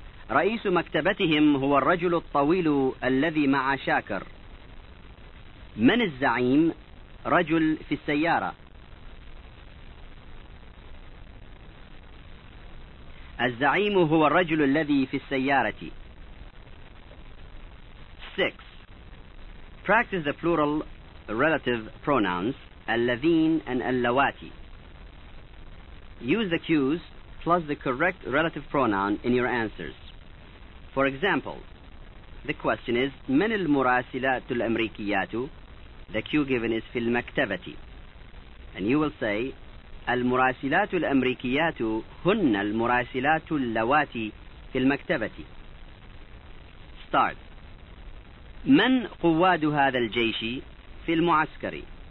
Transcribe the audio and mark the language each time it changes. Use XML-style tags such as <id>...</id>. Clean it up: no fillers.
<ar>رئيس مكتبتهم هو الرجل الطويل الذي مع شاكر. من الزعيم؟ رجل في السيارة. الزعيم هو الرجل الذي في السيارة.</ar> <en>6. Practice the plural relative pronouns الذين and اللواتي. Use the cues plus the correct relative pronoun in your answers. For example, the question is</en> <ar>من المراسلات الأمريكيات؟</ar> <en>The cue given is</en> <ar>في المكتبة.</ar> <en>And you will say المراسلات الأمريكيات هن المراسلات اللواتي في المكتبة. Start.</en> <ar>من قواد هذا الجيش؟ في المعسكر.</ar>